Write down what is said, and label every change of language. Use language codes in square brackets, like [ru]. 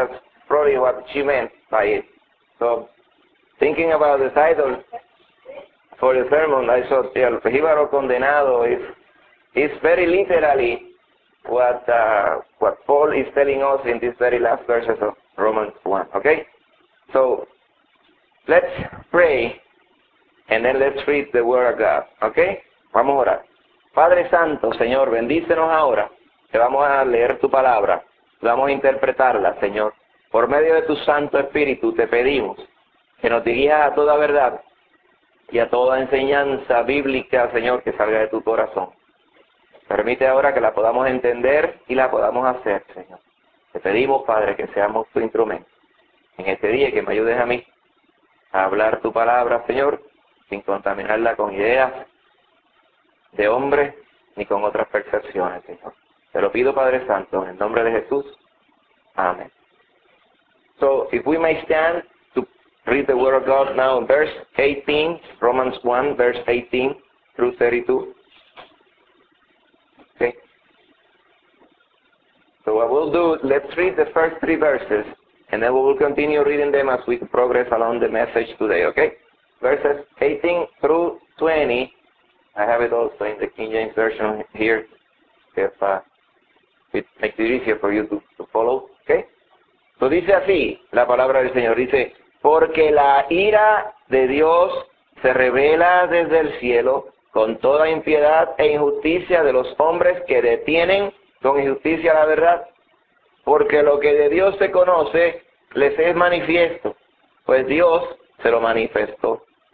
[en] That's probably what she meant by it. So, thinking about the title for the sermon, I thought, [es] "El jíbaro condenado," [en] is very literally what Paul is telling us in this very last verses of Romans 1, okay? So, let's pray, and then let's read the Word of God, okay? [es] Vamos a orar. Padre Santo, Señor, bendícenos ahora. Te vamos a leer tu palabra, vamos a interpretarla, Señor. Por medio de tu Santo Espíritu te pedimos que nos dirijas a toda verdad y a toda enseñanza bíblica, Señor, que salga de tu corazón. Permite ahora que la podamos entender y la podamos hacer, Señor. Te pedimos, Padre, que seamos tu instrumento en este día y que me ayudes a mí a hablar tu palabra, Señor, sin contaminarla con ideas de hombre ni con otras percepciones, Señor. Te lo pido, Padre Santo, en el nombre de Jesús. Amén. [en] So, if we may stand to read the Word of God now in verse 18, Romans 1, verse 18 through 32. Okay. So, what we'll do, let's read the first three verses, and then we will continue reading them as we progress along the message today, okay? Verses 18 through 20, I have it also in the King James Version here, it makes it easier for you to follow, okay? [es] So dice así, la palabra del Señor dice, porque la ira de Dios se revela desde el cielo con toda impiedad e injusticia de los hombres que detienen con injusticia la verdad, porque lo que de Dios se conoce les es manifiesto, pues Dios se lo manifestó,